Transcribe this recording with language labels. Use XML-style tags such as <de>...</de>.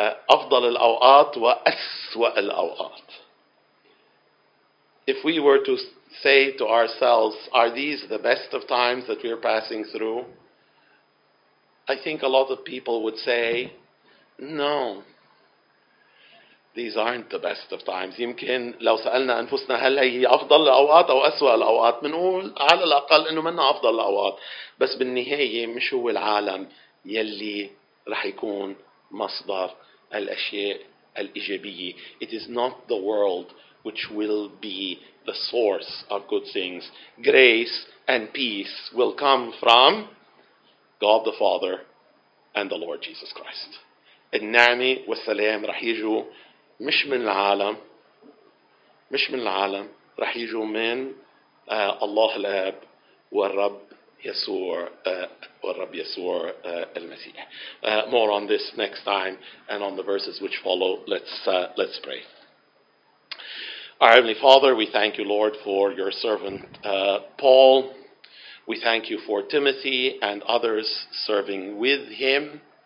<ar>أفضل الأوقات وأسوأ الأوقات.</ar> <en>If we were to say to ourselves, are these the best of times that we are passing through? I think a lot of people would say, no. These aren't the best of times.</en> <ar>يمكن لو سألنا أنفسنا هل هي أفضل الأوقات أو أسوأ الأوقات منقول على الأقل إنه منا أفضل الأوقات. بس بالنهاية مش هو العالم يلي رح يكون مصدر الأشياء الإيجابية.</ar> <en>It is not the world which will be the source of good things. Grace and peace will come from God the Father and the Lord Jesus Christ.</en> <ar>النعمة والسلام رح يجوا مش من العالم مش من العالم رح يجوا من الله الآب والرب يسوع والرب يسوع المسيح.</ar> <en>More on this next time and on the verses which follow. Let's pray. Our Heavenly Father, we thank you, Lord, for your servant Paul. We thank you for Timothy and others serving with him.</en>